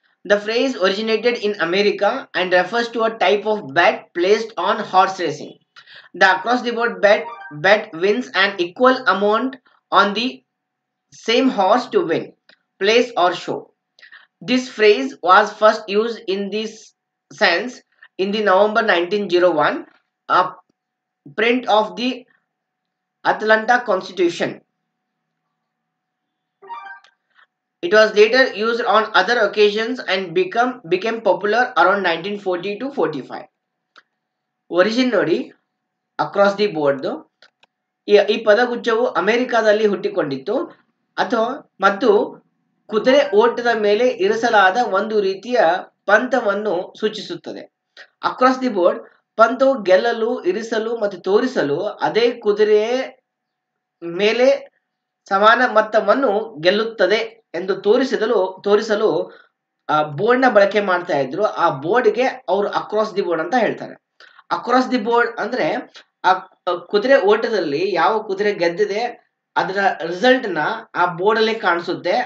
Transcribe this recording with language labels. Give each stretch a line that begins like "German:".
English: The phrase originated in America and refers to a type of bet placed on horse racing. The across the board bet wins an equal amount on the same horse to win place or show. This phrase was first used in this sense in the November 1901 print of the Atlanta Constitution. It was later used on other occasions and became popular around 1940 to 45.
Kannada: Origin nodi across the board do ee pada gucchavu America dalli huttikondittu atho mattu ಕುದುರೆ ಓಟದ ಮೇಲೆ ಇರಿಸಲಾದ ಒಂದು ರೀತಿಯ ಪಂಥವನ್ನು ಸೂಚಿಸುತ್ತದೆ. Across the board ಪಂಥವು ಗೆಲ್ಲಲು, ಇರಿಸಲು ಮತ್ತು ತೋರಿಸಲು ಅದೇ ಕುದುರೆ ಮೇಲೆ ಸಮಾನ ಮೊತ್ತವನ್ನು ಗೆಲ್ಲುತ್ತದೆ ಎಂದು ತೋರಿಸಲು ಆ ಬೋರ್ಡ್ನ ಬಳಕೆ ಮಾಡ್ತಾ ಇದ್ರು. ಆ ಬೋರ್ಡ್ಗೆ ಅವರು ಅಕ್ರಾಸ್ ದಿ ಬೋರ್ಡ್ ಅಂತ ಹೇಳ್ತಾರೆ. ಅಕ್ರಾಸ್ ದಿ ಬೋರ್ಡ್ ಅಂದ್ರೆ ಆ ಕುದುರೆ ಓಟದಲ್ಲಿ ಯಾವ ಕುದುರೆ ಗೆದ್ದಿದೆ ಅದರ ರಿಸಲ್ಟ್ ನ ಆ ಬೋರ್ಡ್ ಅಲ್ಲಿ ಕಾಣಿಸುತ್ತೆ.